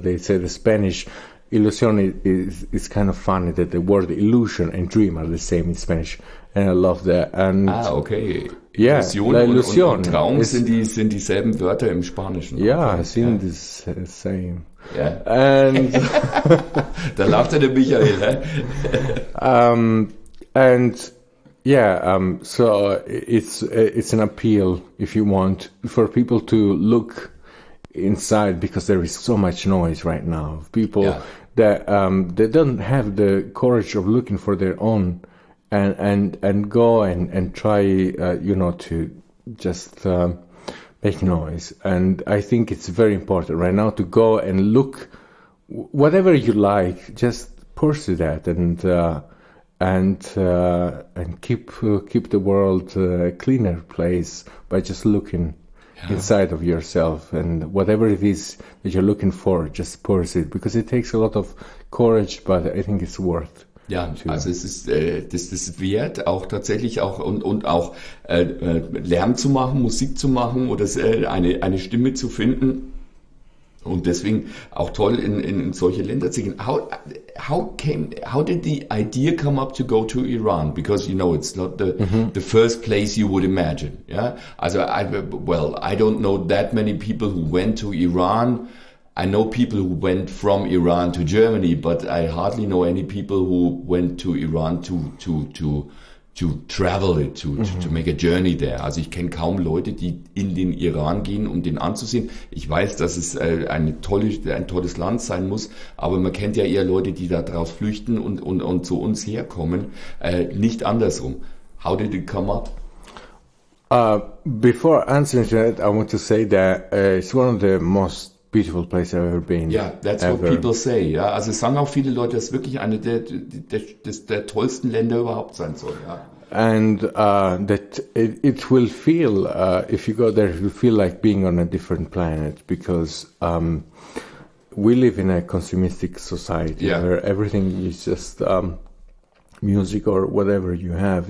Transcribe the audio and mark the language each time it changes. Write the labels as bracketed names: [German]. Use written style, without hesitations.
[English] They say the Spanish ilusión is kind of funny that the word illusion and dream are the same in Spanish, and I love that. And okay. Yeah, [German] Illusion und Traum sind dieselben Wörter im Spanischen. Ja, okay. Sind [English] the same. Yeah. And [German] da lachte der Michael. [English] So it's an appeal if you want for people to look inside, because there is so much noise right now. People that they don't have the courage of looking for their own. And go and try, you know, to just make noise. And I think it's very important right now to go and look, whatever you like, just pursue that and keep the world a cleaner place by just looking inside of yourself. And whatever it is that you're looking for, just pursue it, because it takes a lot of courage, but I think it's worth it. [German] Ja, also es ist das wert, auch tatsächlich auch und auch Lärm zu machen, Musik zu machen oder eine Stimme zu finden. Und deswegen auch toll in solche Länder zu gehen. [English] How did the idea come up to go to Iran? Because you know it's not the first place you would imagine. Yeah. Also I don't know that many people who went to Iran. I know people who went from Iran to Germany, but I hardly know any people who went to Iran to travel it, to make a journey there. [German] Also ich kenne kaum Leute, die in den Iran gehen, um den anzusehen. Ich weiß, dass es ein tolles Land sein muss, aber man kennt ja eher Leute, die da draus flüchten und zu uns herkommen, nicht andersrum. [English] How did it come up? Before answering that, I want to say that it's one of the most beautiful place I've ever been. Yeah, that's ever. What people say. [German] Yeah, also sagen auch viele Leute, dass wirklich eine der tollsten Länder überhaupt sein soll. Ja. [English] And that it will feel if you go there, it will feel like being on a different planet because we live in a consumistic society where everything is just music or whatever you have.